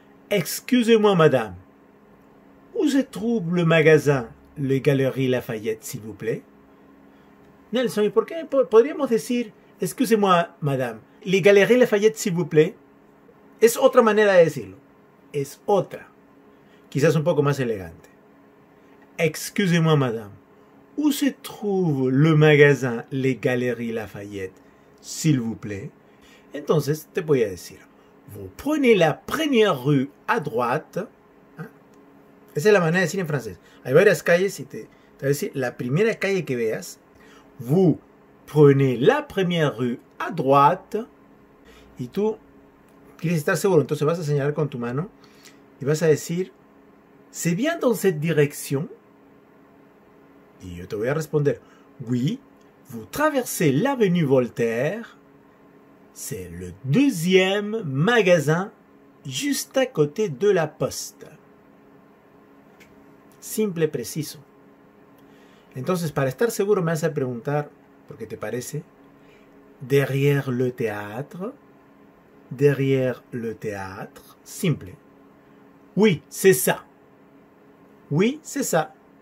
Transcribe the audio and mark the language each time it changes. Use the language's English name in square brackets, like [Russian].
[French] Excusez-moi, madame. Où se trouve le magasin, les Galeries Lafayette, s'il vous plaît? Nelson, [Spanish] ¿y por qué podríamos decir [French] excusez-moi, madame, les Galeries Lafayette, s'il vous plaît? [Spanish] Es otra manera de decirlo. Es otra. Quizás un poco más elegante. [French] Excusez-moi, madame. Où se trouve le magasin Les Galeries Lafayette, s'il vous plaît? [Spanish] Entonces, te voy a decir. [French] Vous prenez la première rue à droite. [Spanish] ¿Ah? Esa es la manera de decir en francés. Hay varias calles y te voy a decir la primera calle que veas. [French] Vous prenez la première rue à droite. [Spanish] Y tú quieres estar seguro, entonces vas a señalar con tu mano y vas a decir, [French] ¿c'est bien dans cette direction? [Spanish] Y yo te voy a responder, [French] oui, vous traversez l'avenue Voltaire, c'est le deuxième magasin juste à côté de la poste. [Spanish] Simple, preciso. Entonces, para estar seguro, me vas a preguntar, ¿por qué te parece? [French] Derrière le théâtre. Derrière le théâtre. Simple. Oui, c'est ça. Oui, c'est ça.